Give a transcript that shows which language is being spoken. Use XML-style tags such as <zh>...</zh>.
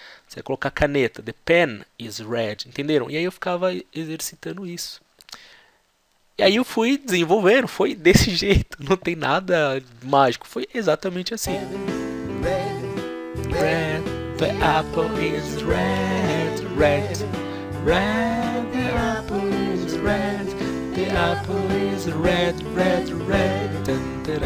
<pt>Se eu colocar caneta,</pt> <en>the pen is red.</en> <pt>Entenderam? E aí eu ficava exercitando isso. E aí eu fui desenvolvendo, foi desse jeito, não tem nada mágico, foi exatamente assim.</pt> <en>Red, the apple is red, red, red, the apple is red, the apple is red, red, red.</en>